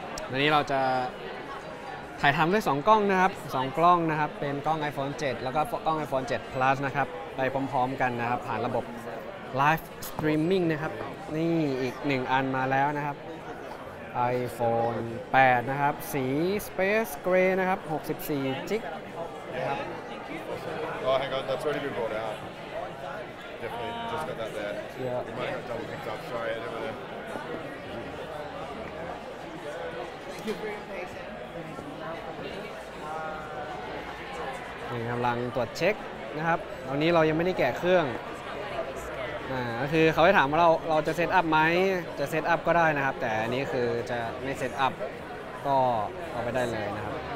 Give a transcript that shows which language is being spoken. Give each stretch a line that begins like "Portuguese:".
Thai: วันนี้เราจะถ่ายทำด้วย2กล้องนะครับ2กล้องนะครับเป็นกล้อง iPhone 7แล้วก็กล้อง iPhone 7 Plus นะครับไปพร้อมๆกันนะครับผ่านระบบ Live Streaming นะครับนี่อีก1อันมาแล้วนะครับ iPhone 8นะครับสี Space Gray นะครับ64 GB นะครับ
English: Oh hang on that's already been brought out definitely just got that there yeah you might have double picked up sorry I don't know
Thai: กำลังตรวจเช็คนะครับตอนนี้เรายังไม่ได้แกะเครื่องก็คือเขาให้ถามว่าเราจะเซตอัพไหมจะเซตอัพก็ได้นะครับแต่อันนี้คือจะไม่เซตอัพก็เอาไปได้เลยนะครับ